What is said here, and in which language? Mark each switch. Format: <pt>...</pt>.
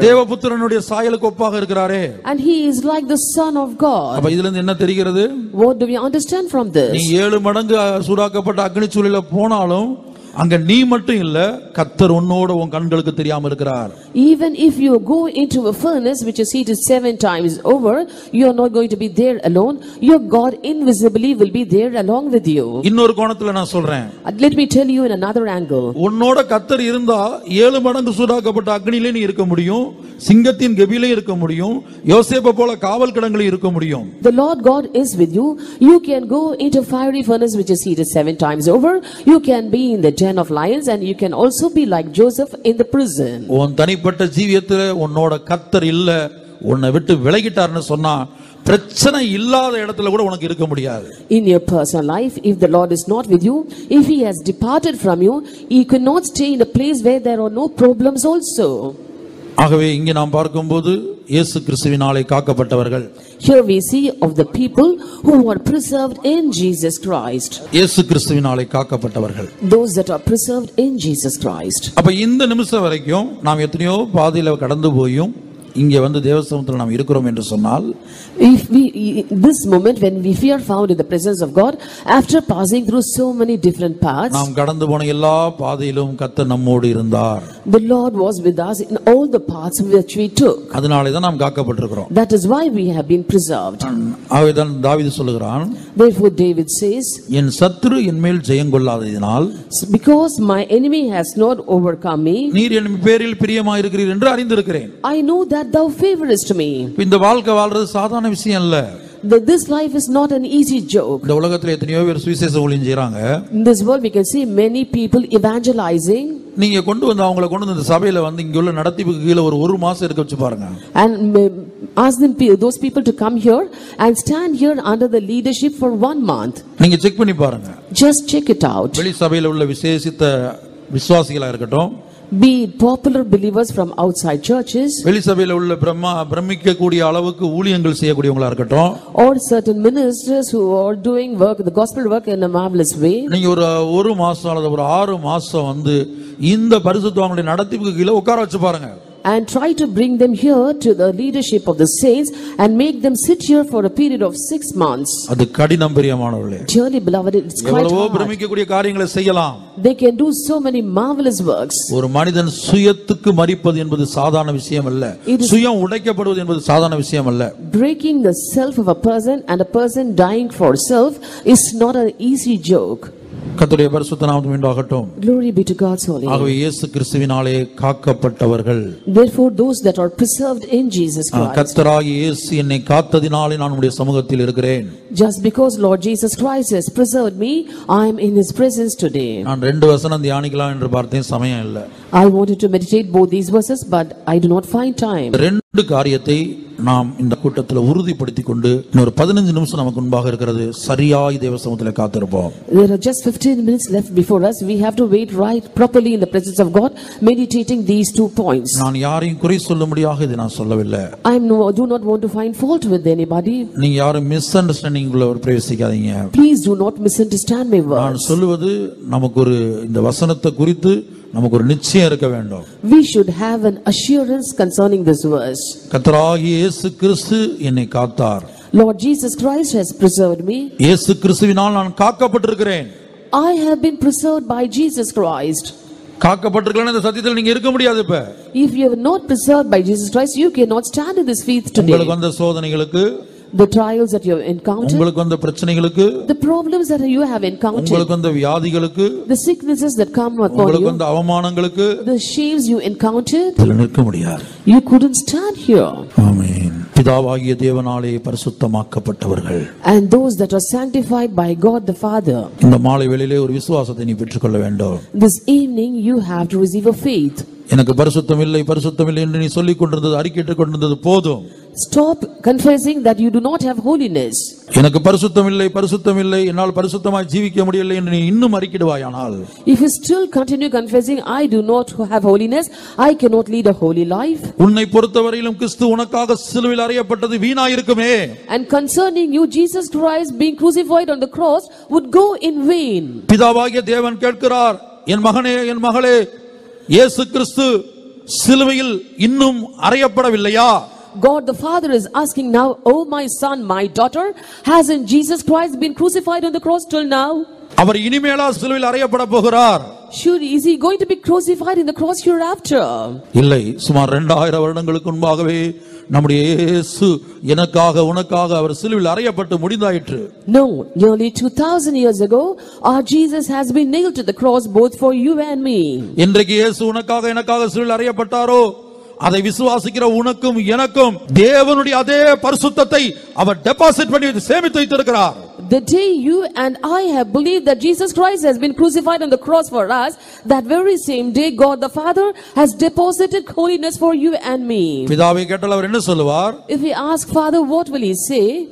<ta>தேவபுத்திரனுடைய சாயலுக்கு ஒப்பாக இருக்காரே.</ta> <en>And he is like the son of God.</en> <ta>அப்ப இதிலிருந்து என்ன தெரிகிறது?</ta> <en>What do we understand from this?</en> <ta>நீ ஏழு மடங்கு சூடாக்கப்பட்ட அக்னிச்சூளையில போனாலும் அங்க நீ மட்டும் இல்ல, கர்த்தர் உன்னோட உன் கண்களுக்கு தெரியாம இருக்கிறார்.</ta> <en>Even if you go into a furnace which is heated 7 times over, you are not going to be there alone. Your God invisibly will be there along with you.</en> <ta>இன்னொரு கோணத்துல நான் சொல்றேன்.</ta> <en>Let me tell you in another angle.</en> <ta>உன்னோட கர்த்தர் இருந்தா ஏழு மடங்கு சூடாக்கப்பட்ட அக்னியிலே நீ இருக்க முடியும், சிங்கத்தின் கெபிலே இருக்க முடியும், யோசேப்பு போல காவல் கிடங்களே இருக்க முடியும்.</ta> <en>The Lord God is with you. You can go into a fiery furnace which is heated 7 times over. You can be in the den of lions and you can also be like Joseph in the prison.</en> <ta>உன் தனிப்பட்ட ஜீவியத்துல உன்னோட கர்த்தர் இல்ல, உன்னை விட்டு விலகிட்டார்னு சொன்னா பிரச்சனை இல்லாத இடத்துல கூட உனக்கு இருக்க முடியாது.</ta> <en>In your personal life, if the Lord is not with you, if he has departed from you, he cannot stay in a place where there are no problems also.</en> <ta>ஆகவே இங்க நாம் பார்க்கும்போது இயேசு கிறிஸ்துவினாலே காக்கப்பட்டவர்கள்.</ta> <en>Here we see of the people who were preserved in Jesus Christ.</en> <ta>இயேசு கிறிஸ்துவினாலே காக்கப்பட்டவர்கள்.</ta> <en>Those that are preserved in Jesus Christ.</en> <ta>அப்ப இந்த நிமிஷம் வரைக்கும் நாம் எத்தனையோ பாதையில கடந்து போயும் இங்கே வந்து தேவசமுத்திரத்தில் நாம் இருக்கிறோம் என்று சொன்னால்,</ta> <en>if we this moment when we are found in the presence of God after passing through so many different paths,</en> <ta>நாம் கடந்து போன எல்லா பாதையிலும் கர்த்தர் நம்மோடு இருந்தார்.</ta> <en>The Lord was with us in all the paths which we took.</en> <ta>அதனாலே தான் நாம் காக்கப்பட்டிருக்கிறோம்.</ta> <en>That is why we have been preserved.</en> <ta>ஆகையால் தாவீது சொல்கிறான்,</ta> <en>therefore David says,</en> <ta>என் சத்துரு என் மேல் ஜெயம் கொள்ளாததினால்,</ta> <en>because my enemy has not overcome me,</en> <ta>நீர் என் பேரில் பிரியமாய் இருக்கிறீர் என்று அறிந்திருக்கிறேன்.</ta> <en>I know that thou favorest me.</en> <ta>இந்த வாழ்க்கை வாழ்றது சாதாரண விஷயம் இல்ல.</ta> <en>This life is not an easy joke.</en> <ta>இந்த உலகத்துல எத்தனையோ பேர் சுவிசேஷம் ஒளிஞ்சிராங்க.</ta> <en>In this world we can see many people evangelizing.</en> <ta>நீங்க கொண்டு வந்து அவங்களை கொண்டு வந்து சபையில வந்து இங்க உள்ள நடத்திப்புக்கு கீழே ஒரு மாசம் இருக்க வச்சு பாருங்க.</ta> <en>Ask them those people to come here and stand here under the leadership for 1 month.</en> <ta>நீங்க செக் பண்ணி பாருங்க.</ta> <en>Just check it out.</en> <ta>வெளி சபையில உள்ள விசேஷித்த விசுவாசிகளாக இருக்கட்டும்</ta> <en>be popular believers from outside churches</en> <ta>வெளிசபையில உள்ள பிரமிக்க கூடிய அளவுக்கு ஊழியங்கள் செய்யக்கூடியவங்களா இருக்கட்டும்</ta> <en>or certain ministers who are doing work the gospel work in a marvelous way</en> <ta>நீங்க ஒரு மாசம் அல்லது ஒரு ஆறு மாசம் வந்து இந்த பரிசுத்தவான்களை நடத்திப்புக்கு கீழே உட்கார வச்சு பாருங்க</ta> <en>and try to bring them here to the leadership of the saints and make them sit here for a period of 6 months</en> <ta>அது கடினம் பிரியமானவர்களே</ta> <en>dearly beloved it's quite hard</en> <ta>எவ்வளவு பிரமிக்க கூடிய காரியங்களை செய்யலாம்</ta> <en>they can do so many marvelous works</en> <ta>ஒரு மனிதன் சுயத்துக்கு மரிப்பது என்பது சாதாரண விஷயம் அல்ல சுயம் உடைக்கப்படுவது என்பது சாதாரண விஷயம் அல்ல</ta> <en>breaking the self of a person and a person dying for self is not an easy joke</en> <ta>கர்த்தருடைய பரிசுத்த நாமத்தை மீண்டாகட்டும்</ta> <en>glory be to god's holy name</en> <ta>ஆகவே இயேசு கிறிஸ்துவினாலே காக்கப்பட்டவர்கள்</ta> <en>therefore those that are preserved in jesus christ</en> <ta>கர்த்தராகிய இயேசு என்னை காத்ததினாலே நான் உம்முடைய சமூகத்தில் இருக்கிறேன்</ta> <en>just because lord jesus christ has preserved me i am in his presence today</en> <ta>நான் ரெண்டு வசனம் தியானிக்கலாம் என்று பார்த்தேன் சமயம் இல்ல</ta> <en>i wanted to meditate both these verses but i do not find time</en> <ta>ரெண்டு காரியத்தை நாம் இந்த கூட்டத்தில் உறுதிப்படுத்திக் கொண்டு இன்னொரு 15 நிமிஷம் நமக்கு முன்பாக இருக்கிறது சரியாய் தேவசமூகத்தில் காத்திருப்போம்</ta> <en>there are just 15 minutes left before us we have to wait right properly in the presence of god meditating these two points</en> <ta>நான் யாரையும் குறை சொல்லும்படியாக இதை நான் சொல்லவில்லை</ta> <en>do not want to find fault with anybody</en> <ta>நீங்க யாரும் misunderstanding குள்ள ஒரு பிரவேசிக்காதீங்க</ta> <en>please do not misunderstand my words</en> <ta>நான் சொல்வது நமக்கு ஒரு இந்த வசனத்தை குறித்து நமக்கு ஒரு நிச்சயம் இருக்க வேண்டும்</ta> <en>we should have an assurance concerning this verse</en> <ta>கர்த்தராகிய இயேசு கிறிஸ்து என்னை காத்தார்</ta> <en>lord jesus christ has preserved me</en> <ta>இயேசு கிறிஸ்துவினால் நான் காக்கப்பட்டிருக்கிறேன்</ta> <en>i have been preserved by jesus christ</en> <ta>காக்கப்பட்டிருக்கலன இந்த சத்தியத்தில் நீங்க இருக்க முடியாது இப்ப</ta> <en>if you are not preserved by jesus christ you cannot stand in this faith today</en> <ta>உங்களுக்கு வந்த சோதனைகளுக்கு</ta> <en>the trials that you have encountered</en> <ta>உங்களுக்கு வந்த பிரச்சனைகளுக்கு</ta> <en>the problems that you have encountered</en> <ta>உங்களுக்கு வந்த வியாதிகளுக்கு</ta> <en>the sicknesses that come upon you</en> <ta>உங்களுக்கு வந்த அவமானங்களுக்கு</ta> <en>the shames you encountered</en> <ta>நிற்க முடியாது</ta> <en>you couldn't stand here</en> <ta>ஆமென் பிதாவாகிய தேவனாலே பரிசுத்தமாக்கப்பட்டவர்கள்</ta> <en>and those that are sanctified by god the father</en> <ta>இந்த மாலை வேளையிலே ஒரு விசுவாசத்தை நீ பெற்றுக்கொள்ள வேண்டும்</ta> <en>this evening you have to receive a faith</en> <ta>எனக்கு பரிசுத்தம் இல்லை பரிசுத்தம் இல்லை என்று நீ சொல்லிக் கொண்டிருந்தது அறிக்கைட்டு கொண்டிருந்தது போதும்</ta> <en>stop confessing that you do not have holiness</en> <ta>எனக்கு பரிசுத்தம் இல்லை பரிசுத்தம் இல்லை என்னால் பரிசுத்தமாய் ஜீவிக்க முடியல என்று நீ இன்னும் அறிக்கிடுவாயானால்</ta> <en>if you still continue confessing i do not have holiness i cannot lead a holy life</en> <ta>உன்னை பொறுத்தவரையிலும் கிறிஸ்து உனக்காக சிலுவையில் அறையப்பட்டது வீணாய் இருக்குமே</ta> <en>and concerning you jesus christ being crucified on the cross would go in vain</en> <ta>பிதாவாகிய தேவன் கேட்கிறார் என் மகனே என் மகளே இயேசு கிறிஸ்து சிலுவையில் இன்னும் அறையப்படவில்லையா</ta> <en>God the Father is asking now oh my son my daughter hasn't Jesus Christ been crucified on the cross till now</en> <ta>அவர் இனிமேலா சிலுவையில் அறையப்பட போகிறார்</ta> <en>Surely is he going to be crucified in the cross hereafter</en> <ta>இல்லை சுமார் 2000 வருடங்களுக்கு முன்பாகவே நம்முடைய இயேசு எனக்காக உனக்காக அவர் சிலுவையில் அறையப்பட்டு முடிந்தாயிற்று</ta> <en>No nearly 2000 years ago our Jesus has been nailed to the cross both for you and me</en> <ta>இன்றைக்கு இயேசு உனக்காக எனக்காக சிலுவையில் அறையப்பட்டாரோ அதை விசுவாசிக்கிற உனக்கும் எனக்கும் தேவனுடைய அதே பரிசுத்தத்தை அவர் டெபாசிட் பண்ணி சேமித்து வைத்திருக்கிறார்</ta> <en>The day you and I have believed that Jesus Christ has been crucified on the cross for us that very same day God the Father has deposited holiness for you and me</en> <ta>பிதாவே கேட்டால் அவர் என்ன சொல்வார்</ta> <en>If we ask Father what will he say</en>